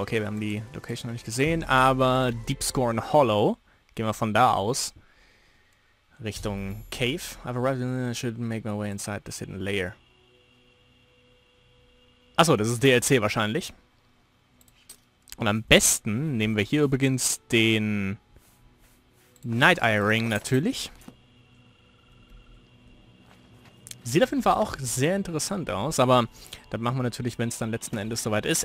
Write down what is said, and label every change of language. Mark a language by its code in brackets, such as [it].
[de] Okay, wir haben die Location noch nicht gesehen, aber Deepscorn Hollow. Gehen wir von da aus. Richtung Cave. [en] I've arrived and I should make my way inside this hidden lair. [de] Achso, das ist DLC wahrscheinlich. Und am besten nehmen wir hier übrigens den... Night Eye Ring natürlich. Sieht auf jeden Fall auch sehr interessant aus, aber das machen wir natürlich, wenn es dann letzten Endes soweit ist.